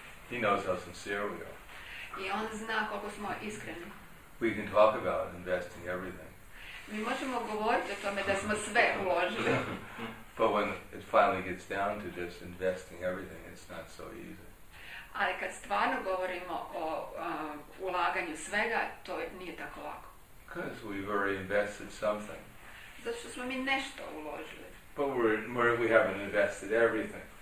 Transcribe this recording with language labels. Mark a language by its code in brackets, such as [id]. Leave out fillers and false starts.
[en] He knows how sincere we are. [hr] I on zna koliko smo iskreni. [en] We can talk about investing everything. [hr] Mi možemo govoriti o tome da smo sve uložili. [en] But when it finally gets down to just investing everything, it's not so easy. [hr] Ali kad stvarno govorimo o ulaganju svega, to nije tako lako. [en] Because we've already invested something. [hr] Zato što smo mi nešto uložili. [en] But we haven't invested everything.